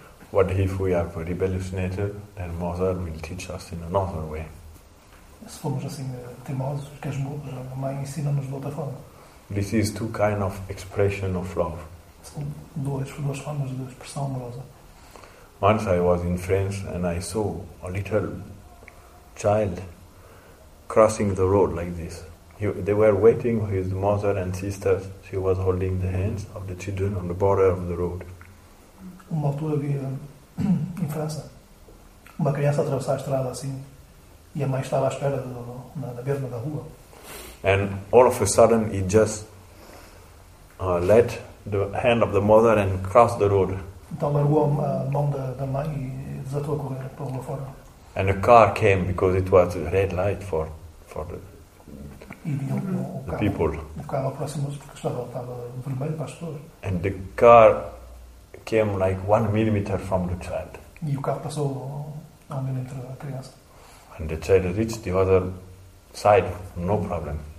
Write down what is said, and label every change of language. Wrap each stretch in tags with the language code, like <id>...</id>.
<en>What if we have a rebellious nature, then mother will teach us in another way.</en> <pt>Se formos assim teimosos, que a mãe ensina-nos de outra forma.</pt> <en>This is two kind of expression of love.</en> <pt>São duas formas de expressão amorosa.</pt> <en>Once I was in France and I saw a little child crossing the road like this. They were waiting for his mother and sisters. She was holding the hands of the children on the border of the road.</en> <pt>Uma altura vi em França uma criança atravessar a estrada assim. E a mãe estava à espera na beira da rua.</pt> <en>And all of a sudden he just let the hand of the mother and crossed the road.</en> <pt>Então largou a mão da mãe e desatou a correr para lá fora.</pt> <en>And a car came because it was a red light for the,</en> <pt>e viu</pt> <en>the people.</en> <pt>O carro aproximou-se porque estava vermelho para as pessoas.</pt> <en>And the car came like 1 millimeter from the child.</en> <pt>E o carro passou a 1 millimeter da criança.</pt> <en>And the child reached the other side, no problem.</en>